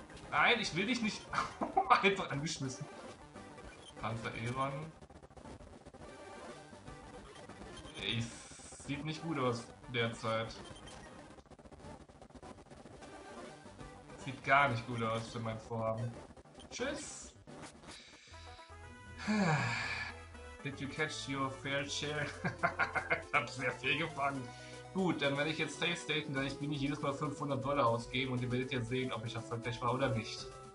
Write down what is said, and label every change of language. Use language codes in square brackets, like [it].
[de] Nein, ich will dich nicht einfach angeschmissen. Panzer Aeron. Ey, sieht nicht gut aus derzeit. Sieht gar nicht gut aus für mein Vorhaben. Tschüss. [en] Did you catch your fair share? [de] Ich hab sehr viel gefangen. Gut, dann werde ich jetzt safe staten, da ich mir nicht jedes Mal $500 ausgeben und ihr werdet jetzt sehen, ob ich erfolgreich war oder nicht.